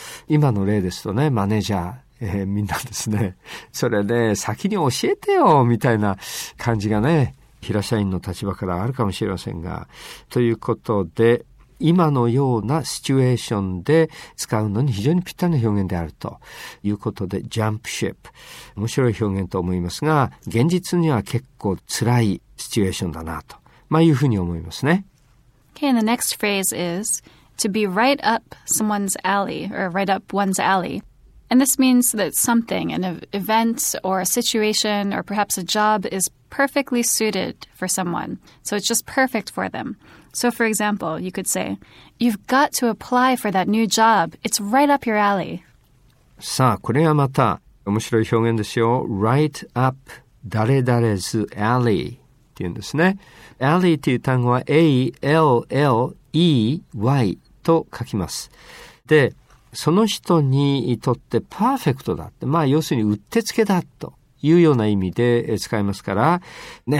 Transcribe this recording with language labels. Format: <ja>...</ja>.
<ja>今の例ですとね、マネージャー、みんなですね、それで、ね、先に教えてよみたいな感じがね、平社員の立場からあるかもしれませんが、ということで今のようなシチュエーションで使うのに非常にぴったりの表現であるということで、ジャンプシップ。面白い表現と思いますが、現実には結構辛いシチュエーションだなと、まあいうふうに思いますね。</ja> <en>Okay, and the next phrase is to be right up someone's alley or right up one's alley. And this means that something, an event or a situation or perhaps a job is perfectly suited for someone. So it's just perfect for them. So for example, you could say, you've got to apply for that new job. It's right up your alley.</en> <ja>さあ、これはまた面白い表現ですよ。 Right up 誰々's alley っていうんですね。 Alley っていう単語は A-L-L-E-Y と書きます。で、その人にとってパーフェクトだって、まあ要するにうってつけだというような意味で使いますからね。</ja>